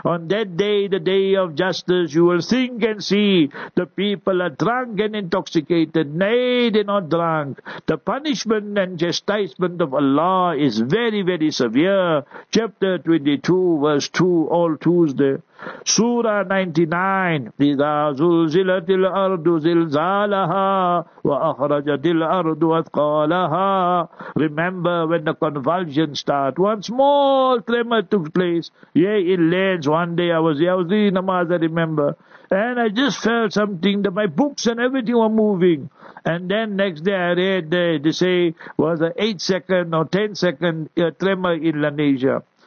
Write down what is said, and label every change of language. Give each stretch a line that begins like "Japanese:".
English: On that day, the day of justice, you will think and see the people are drunk and intoxicated. Nay, they're not drunk. The punishment and chastisement of Allah is very, very severe. Chapter 22, verse 2, all Tuesday.
Arabic: Surah 99, إِذَا زُلْزِلَتِ الْأَرْضُ زِلْزَالَهَا وَأَخْرَجَتِ الْأَرْضُ أَثْقَالَهَا.
English: Remember when the convulsion start, one small tremor took place. Yeah, in lands, one day I was there in namaz, I remember. And I just felt something, that my books and everything were moving. And then next day I read, they say, was an 8 second or 10 second tremor in Indonesia.